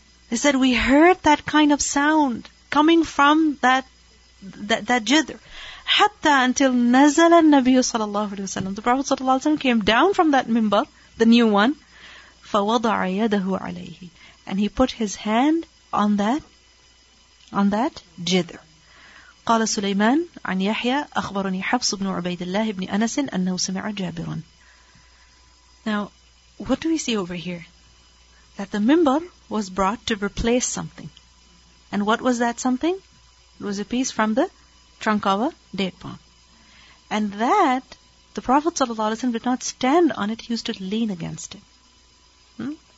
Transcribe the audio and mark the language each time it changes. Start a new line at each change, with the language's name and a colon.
English: They said, we heard that kind of sound coming from that jidr. Hatta, until
Arabic: nazala an-nabiy
English: sallallahu alayhi wasallam, the Prophet sallallahu alayhi wasallam came down from that mimbar, the new one,
Arabic: فَوَضَعَ يَدَهُ عَلَيْهِ,
English: and he put his hand on that jidr.
Arabic: قال سليمان عن يحيى أخبرني حفص بن عبيد الله بن أنس أنه سمع جابر.
English: Now, what do we see over here? That the mimbar was brought to replace something. And what was that something? It was a piece from the trunk of a date palm. And that, the Prophet ﷺ did not stand on it, he used to lean against it.